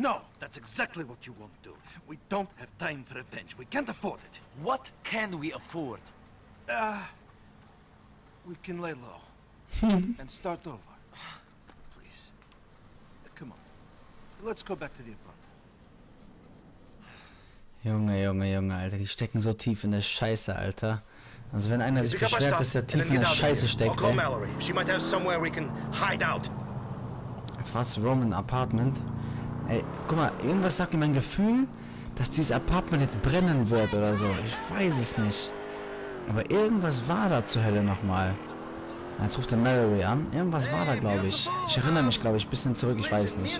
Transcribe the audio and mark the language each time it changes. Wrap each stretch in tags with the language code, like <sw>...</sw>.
<en>No, that's exactly what you won't do. We don't have time for revenge. We can't afford it. What can we afford? We can lay low and start over. Please. Come on. Let's go back to the apartment.</en> <de>Junge, Junge, Junge, Alter. Die stecken so tief in der Scheiße, Alter. Also wenn einer sich beschwert, dass er tief in der Scheiße steckt, ey.</de> <en>Mallory. She might have somewhere we can hide out. Fast Roman Apartment.</en> <de>Ey, guck mal, irgendwas sagt mir mein Gefühl, dass dieses Apartment jetzt brennen wird oder so. Ich weiß es nicht. Aber irgendwas war da zur Hölle nochmal. Jetzt ruft er Mallory an. Irgendwas war da, glaube ich. Ich erinnere mich, glaube ich, ein bisschen zurück. Ich weiß nicht.</de>